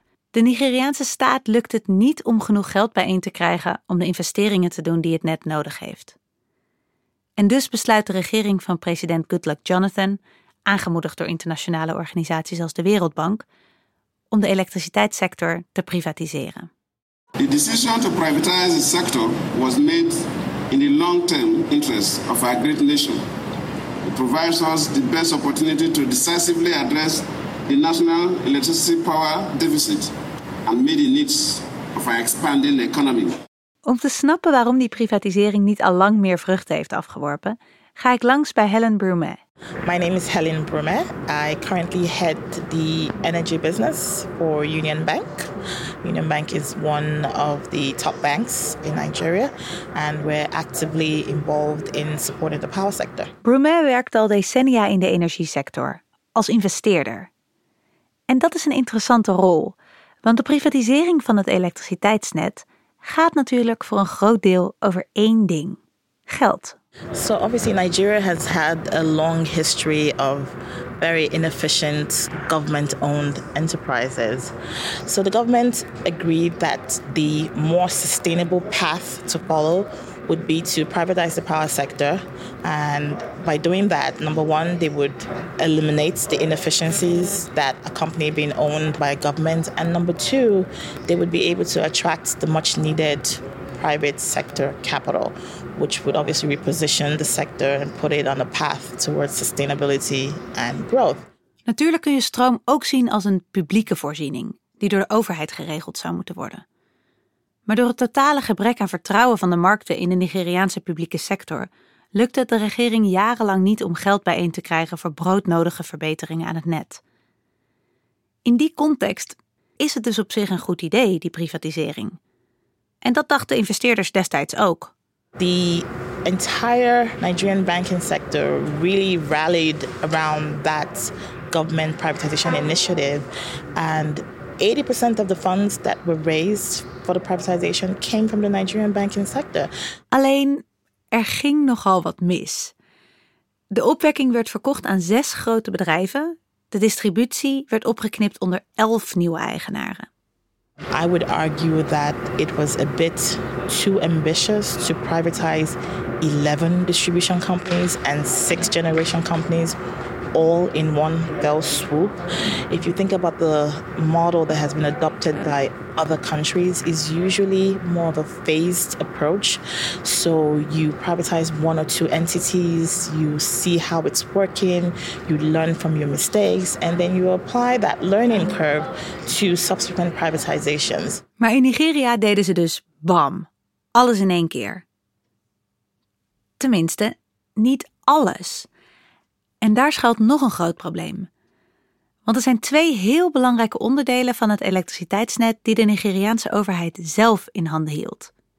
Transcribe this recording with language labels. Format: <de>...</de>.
<nl>De Nigeriaanse staat lukt het niet om genoeg geld bijeen te krijgen om de investeringen te doen die het net nodig heeft. En dus besluit de regering van president Goodluck Jonathan, aangemoedigd door internationale organisaties als de Wereldbank, om de elektriciteitssector te privatiseren.</nl> <en>The decision to privatize the sector was made in the long-term interest of our great nation. provides us the best opportunity to decisively address the national electricity power deficit and meet the needs of our expanding economy.</en> <nl>Om te snappen waarom die privatisering niet al lang meer vruchten heeft afgeworpen, ga ik langs bij Helen Brumet.</nl> <en>My name is Helen Brumet. I currently head the energy business for Union Bank. Union Bank is one of the top banks in Nigeria and we're actively involved in supporting the power sector.</en> <nl>Brumet werkt al decennia in de energiesector, als investeerder. En dat is een interessante rol, want de privatisering van het elektriciteitsnet gaat natuurlijk voor een groot deel over één ding: geld.</nl> <en>So obviously Nigeria has had a long history of very inefficient government-owned enterprises. So the government agreed that the more sustainable path to follow would be to privatize the power sector. And by doing that, number one, they would eliminate the inefficiencies that accompany being owned by a government. And number two, they would be able to attract the much needed private sector capital, which would obviously reposition the sector and put it on a path towards sustainability and growth.</en> <nl>Natuurlijk kun je stroom ook zien als een publieke voorziening die door de overheid geregeld zou moeten worden. Maar door het totale gebrek aan vertrouwen van de markten in de Nigeriaanse publieke sector lukte het de regering jarenlang niet om geld bijeen te krijgen voor broodnodige verbeteringen aan het net. In die context is het dus op zich een goed idee, die privatisering. En dat dachten investeerders destijds ook.</nl> <en>The entire Nigerian banking sector really rallied around that government privatization initiative. And 80% of the funds that were raised for the privatization came from the Nigerian banking sector.</en> <nl>Alleen, er ging nogal wat mis. De opwekking werd verkocht aan 6 grote bedrijven. De distributie werd opgeknipt onder 11 nieuwe eigenaren.</nl> <en>I would argue that it was a bit too ambitious to privatize 11 distribution companies and 6 generation companies all in one fell swoop. If you think about the model that has been adopted by other countries, is usually more of a phased approach. So you privatize one or two entities, you see how it's working, you learn from your mistakes, and then you apply that learning curve to subsequent privatizations.</en> <nl>Maar in Nigeria deden ze dus bam, alles in één keer. Tenminste, niet alles. En daar schuilt nog een groot probleem. Want er zijn 2 heel belangrijke onderdelen van het elektriciteitsnet die de Nigeriaanse overheid zelf in handen hield.</nl>